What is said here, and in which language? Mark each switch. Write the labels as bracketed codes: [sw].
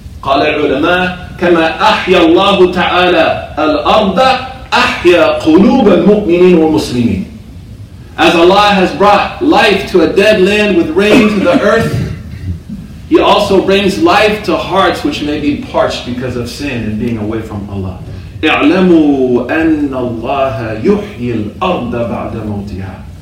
[ar] قال العلماء كما أحيا الله تعالى الأرض أحيا قلوب المؤمنين والمسلمين. [en] As Allah has brought life to a dead land with rain to the earth, He also brings life to hearts which may be parched because of sin and being away from Allah. [ar] اعلموا أن الله يحيي الأرض بعد موتها.